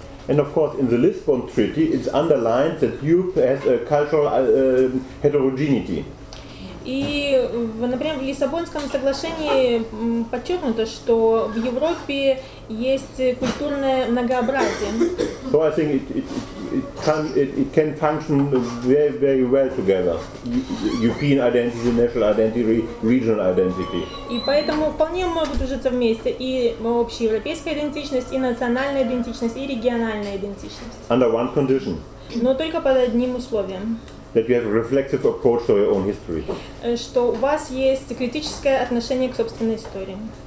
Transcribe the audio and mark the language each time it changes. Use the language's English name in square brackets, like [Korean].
[English] And of course, in the Lisbon Treaty, it's underlined that Europe has a cultural heterogeneity. [Russian] И, например, в Лиссабонском соглашении подчеркнуто, что в Европе есть культурное многообразие. [English] So I think it can function very, very well together. European identity, national identity, regional identity. [Russian] И поэтому вполне могут ужиться вместе и общая европейская идентичность, и национальная идентичность, и региональная идентичность. [English] Under one condition. [Russian] Но только под одним условием. [English] That you have a reflective approach to your own history. [Russian] Что у вас есть критическое отношение к собственной истории.